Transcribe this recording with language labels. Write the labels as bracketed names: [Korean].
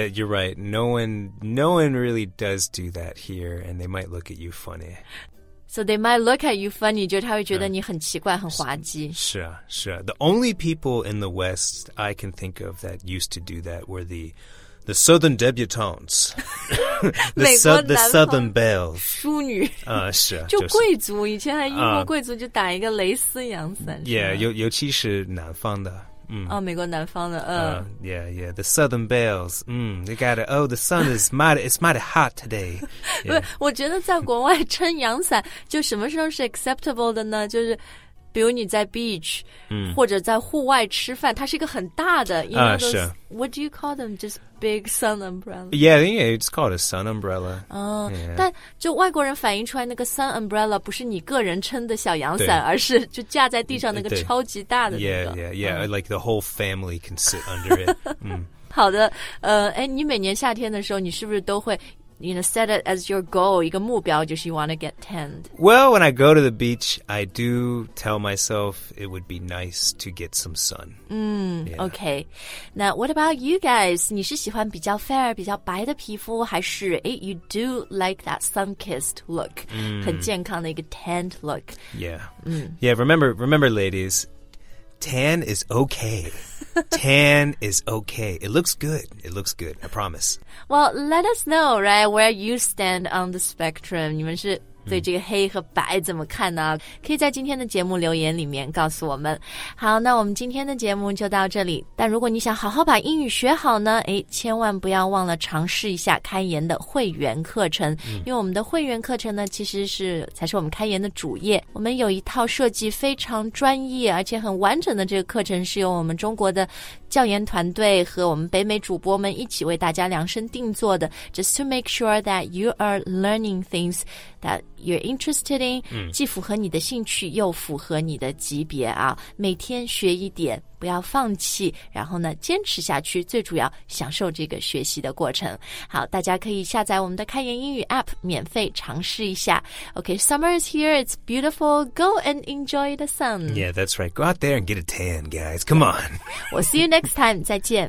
[English] you're right no one really does do that here and they might look at you funny so they might look at you funny [Chinese] 就他会觉得你很奇怪很滑稽是啊 [English] the only people in the west I can think of that used to do that were the Southern debutantes, the Southern belles, [Chinese] 淑女啊、是啊就贵族以前还英国贵族就打一个蕾丝洋伞尤其是南方的美国南方的 [English] yeah the Southern belles, they gotta oh the sun is mighty it's mighty hot today、 [Chinese] 我觉得在国外撑洋伞就什么时候是 acceptable 的呢就是比如你在 beach、或者在户外吃饭它是一个很大的因为是 [English] what do you call them just big sun umbrella yeah it's called a sun umbrella、 [Chinese] 但就外国人反映出来那个 sun umbrella 不是你个人撑的小阳伞而是就架在地上那个超级大的、那个、 [English] yeah、like the whole family can sit under it 、 [Chinese] 好的你每年夏天的时候你是不是都会 [English] You know, set it as your goal, [Chinese] 一个目标就是 [English] you want to get tanned. Well, when I go to the beach, I do tell myself it would be nice to get some sun. Okay. Now, what about you guys? [Chinese] 你是喜欢比较 fair, 比较白的皮肤还是 [English] you do like that sun-kissed look, [Chinese] 很健康的一个 tanned look. [English] Yeah. Yeah, remember, ladies, tan is okay. Tan is okay. It looks good. It looks good. I promise. Well, let us know, right, where you stand on the spectrum. [Chinese] 你们是对这个黑和白怎么看呢？可以在今天的节目留言里面告诉我们。好，那我们今天的节目就到这里。但如果你想好好把英语学好呢，千万不要忘了尝试一下开言的会员课程。因为我们的会员课程呢，才是我们开言的主业。我们有一套设计非常专业而且很完整的这个课程，是由我们中国的教研团队和我们北美主播们一起为大家量身定做的 ， [English] just to make sure that you are learning things that you're interested in， [Chinese] 既符合你的兴趣又符合你的级别啊，每天学一点。不要放弃然后呢坚持下去最主要享受这个学习的过程好大家可以下载我们的开言英语 APP 免费尝试一下 [English] Okay, summer is here it's beautiful go and enjoy the sun Yeah, that's right go out there and get a tan guys come on We'll see you next time [Chinese] 再见